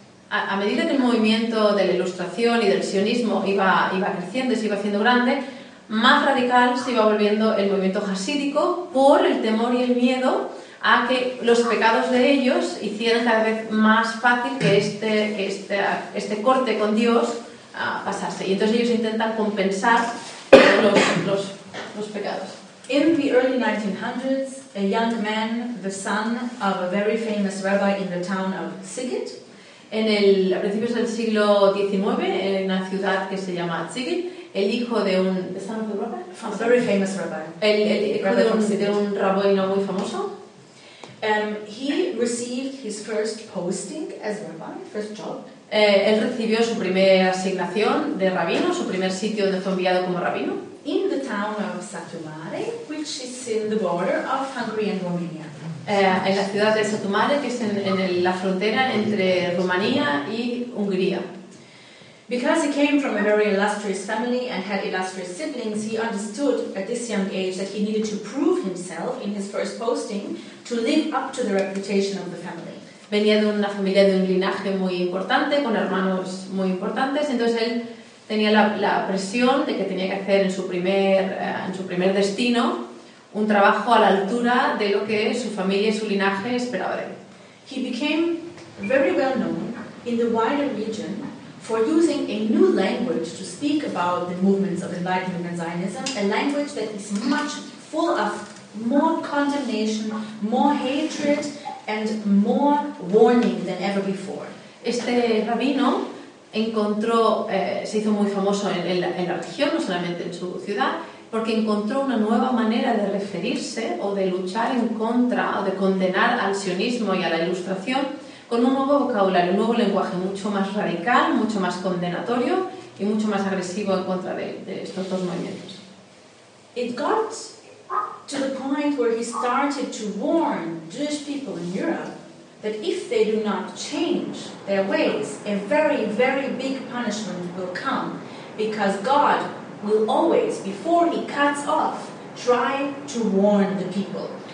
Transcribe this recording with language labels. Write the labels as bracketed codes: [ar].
[es] A medida que el movimiento de la Ilustración y del sionismo iba creciendo y se iba haciendo grande, más radical se iba volviendo el movimiento hasídico por el temor y el miedo a que los pecados de ellos hicieran cada vez más fácil que este corte con Dios pasase. Y entonces ellos intentan compensar los pecados. [en] In the early 1900s, a young man, the son of a very famous rabbi in the town of Sigit, [es] a principios del siglo XIX, en una ciudad que se llama Tzigit, el hijo de un... ¿Está en el rabbi? [en] A very famous rabbi. [es] El hijo de un rabbi no muy famoso. [en] He received his first posting as rabbi, first job. [es] Él recibió su primera asignación de rabino, su primer sitio donde fue enviado como rabino. [en] In the town of Satumare, which is in the border of Hungary and Romania. [es] En la ciudad de Satumare, que es en la frontera entre Rumanía y Hungría. [en] Because he came from a very illustrious family and had illustrious siblings, he understood at this young age that he needed to prove himself in his first posting to live up to the reputation of the family. [es] Venía de una familia de un linaje muy importante, con hermanos muy importantes, entonces él tenía la presión de que tenía que hacer en su primer destino un trabajo a la altura de lo que su familia y su linaje esperaban de él. [en] He became very well known in the wider region for using a new language to speak about the movements of Enlightenment and Zionism, a language that is much full of more condemnation, more hatred, and more warning than ever before. [es] Este rabino encontró, se hizo muy famoso en la región, no solamente en su ciudad, porque encontró una nueva manera de referirse o de luchar en contra o de condenar al sionismo y a la ilustración con un nuevo vocabulario, un nuevo lenguaje mucho más radical, mucho más condenatorio y mucho más agresivo en contra de estos dos movimientos. [en] It got to the point where he started to warn Jewish people in Europe that if they do not change their ways, a very, very big punishment will come because God will always, before he cuts off, try to warn the people.